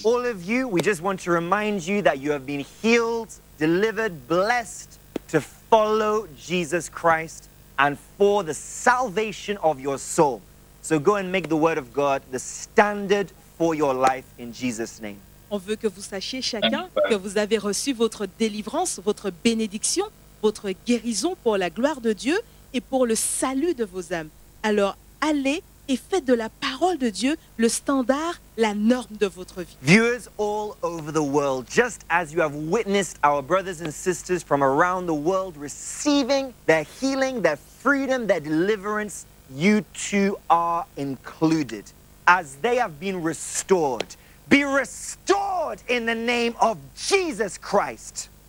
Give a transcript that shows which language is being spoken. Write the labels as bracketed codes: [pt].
[en] all of you, we just want to remind you that you have been healed, delivered, blessed to follow Jesus Christ and for the salvation of your soul. So go and make the word of God the standard for your life in Jesus' name. [fr] On veut que vous sachiez chacun que vous avez reçu votre délivrance, votre bénédiction, votre guérison pour la gloire de Dieu et pour le salut de vos âmes. Alors allez et faites de la parole de Dieu le standard, la norme de votre vie. [en] Viewers all over the world, just as you have witnessed our brothers and sisters from around the world receiving their healing, their freedom, their deliverance, you too are included. As they have been restored, be restored in the name of Jesus Christ.